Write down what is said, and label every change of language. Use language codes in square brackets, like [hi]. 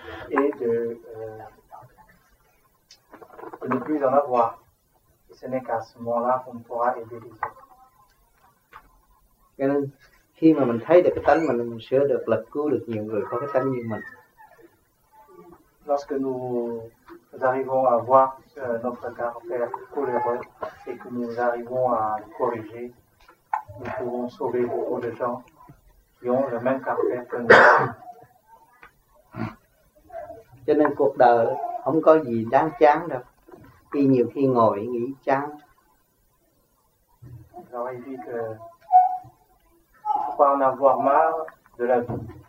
[fr] Et de ne plus en avoir. Et ce n'est qu'à ce moment-là qu'on pourra aider les autres. [vi] Nên khi mà mình thấy được cái tánh mình sửa được là cứu được nhiều người có cái tánh như mình. [fr] Lorsque nous arrivons à voir notre caractère coléreux et que nous arrivons à le corriger, nous pouvons sauver beaucoup de gens qui ont le même caractère que nous. [vi] Cho nên cuộc đời không có gì đáng chán đâu. Khi nhiều khi ngồi nghĩ chán. Rồi, [fr] il dit que pour pas en avoir marre, de la vie.